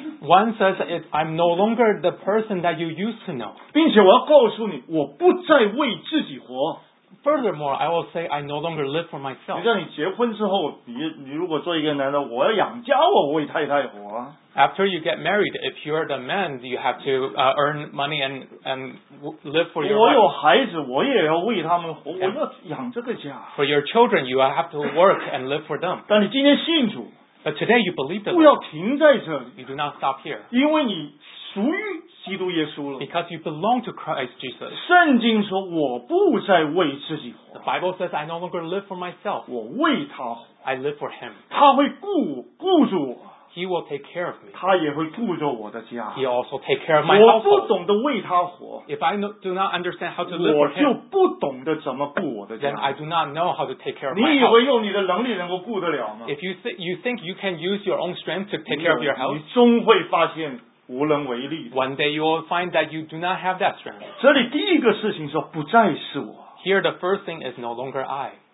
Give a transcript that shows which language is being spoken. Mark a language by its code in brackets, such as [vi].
[en] One says, I'm no longer the person that you used to know. [zh] 并且我要告诉你, 我不再为自己活。 [en] Furthermore, I will say I no longer live for myself. [zh] 就像你结婚之后, 你如果做一个男的, 我要养家我为太太活。 [en] After you get married, if you are the man, you have to earn money and live for your wife. [zh] 我有孩子, 我也要为他们活, yeah. 我要养这个家。 [en] For your children, you have to work and live for them. [zh] 但你今天信主, [en] but today you believe the [zh] Lord. 不要停在这里, [en] you do not stop here. [zh] 因为你属于基督耶稣了。 [en] Because you belong to Christ Jesus. [zh] 圣经说我不再为自己活。 [en] The Bible says I no longer live for myself. [zh] 我为他活。 [en] I live for him. [zh] 他会顾住我。 [en] He will take care of me. [zh] 他也会顾着我的家。 [en] He also take care of my household. [zh] 我不懂得为他活。 [en] If I do not understand how to live for him, [zh] 我就不懂得怎么顾我的家。 [en] Then I do not know how to take care of my house. [zh] 你以为用你的能力能够顾得了吗? [en] If you think you can use your own strength to take care of your house, [zh] 你终会发现 无能为力, [en] one day you will find that you do not have that strength. [zh] 这里第一个事情说不再是我, [en] here the first thing is no longer I.